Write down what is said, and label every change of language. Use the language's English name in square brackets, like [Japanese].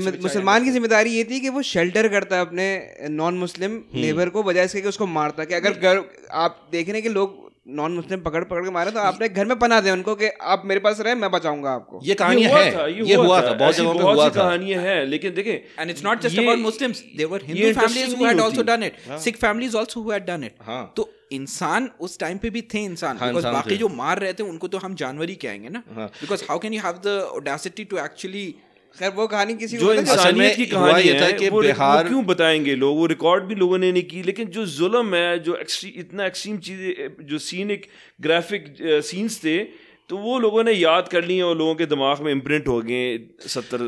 [Urdu] مسلمان کی ذمہ داری یہ تھی کہ وہ شیلٹر کرتا ہے اپنے نان مسلم نیبر کو بجائے اس کے کہ اس کو مارتا, کہ اگر آپ دیکھ رہے ہیں کہ لوگ نان مسلم پکڑ پکڑ کے مارے تو آپ نے گھر میں پناہ دے ان کو کہ آپ میرے پاس رہے میں بچاؤں گا آپ کو. یہ کہانی ہے, یہ ہوا تھا, بہت جگہوں پہ ہوا تھا, کہانیاں ہیں. لیکن دیکھیں, [English] and it's not just about Muslims, there were Hindu families who had also done it, Sikh families also who had done it. [Urdu] تو انسان اس ٹائم پہ بھی تھے انسان, because باقی جو مار رہے تھے ان کو تو ہم جانور ہی کہیں گے نا, [English] because how can you have the audacity to actually. [Urdu] خیر وہ کہانی کسی جو انسانیت کی کہانی ہے کہ بہار کیوں بتائیں گے لوگ, وہ ریکارڈ بھی لوگوں نے نہیں کی. لیکن جو ظلم ہے, جو اتنا ایکسٹریم چیزیں, جو سینک گرافک سینس تھے, تو وہ لوگوں نے یاد کر لی ہیں اور لوگوں کے دماغ میں امپرنٹ ہو گئے 70